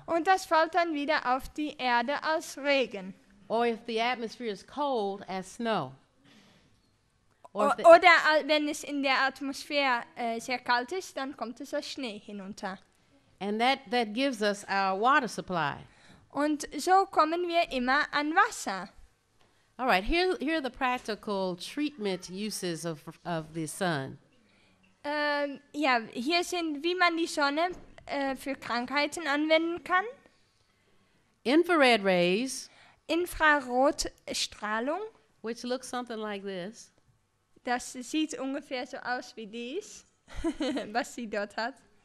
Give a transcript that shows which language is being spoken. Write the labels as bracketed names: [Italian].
[German] Und das fällt dann wieder auf die Erde als Regen. [English] Or if the atmosphere is cold, as snow. [German] Oder wenn es in der Atmosphäre sehr kalt ist, dann kommt es als Schnee hinunter. [English] And that gives us our water supply. [German] Und so kommen wir immer an Wasser. [English] All right, here are the practical treatment uses of the sun. [German] Hier sind, wie man die Sonne für Krankheiten anwenden kann. [English] Infrared rays. [German] Infrarotstrahlung. [English] Which looks something like this. [German] Das sieht ungefähr so aus wie dies, was sie dort hat.